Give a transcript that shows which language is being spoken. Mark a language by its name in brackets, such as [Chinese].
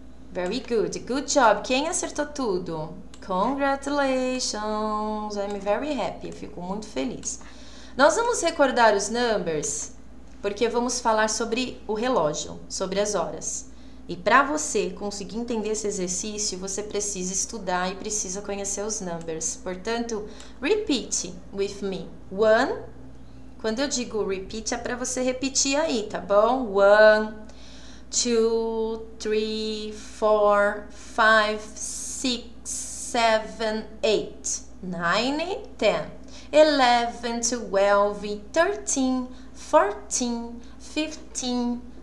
[English] Very good. Good job. [Portuguese] Quem acertou tudo? [English] Congratulations. I'm very happy. [Portuguese] Eu fico muito feliz. Nós vamos recordar os numbers, porque vamos falar sobre o relógio, sobre as horas. E para você conseguir entender esse exercício, você precisa estudar e precisa conhecer os numbers. Portanto, [English] repeat with me. One. [Portuguese] Quando eu digo repeat, é para você repetir aí, tá bom? [English] One, two, three, four, five, six, seven, eight, nine, ten, 11, 12, 13, 14, 15.